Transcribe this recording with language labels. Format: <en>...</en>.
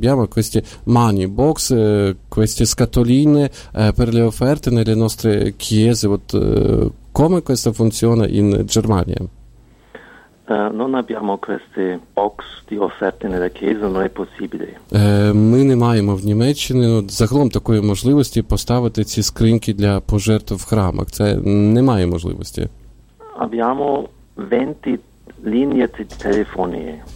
<it>abbiamo queste</it> <en>money box,</en> <it>queste scatoline per le offerte nelle nostre chiese. Come questa funziona in Germania? Non abbiamo queste box di offerte nella chiesa, non è possibile.</it> <uk>Ми не маємо в Німеччині, загалом такої можливості поставити ці скриньки для пожертв в храмах. Це немає можливості.</uk> <it>Abbiamo 20 linee di telefonie.</it>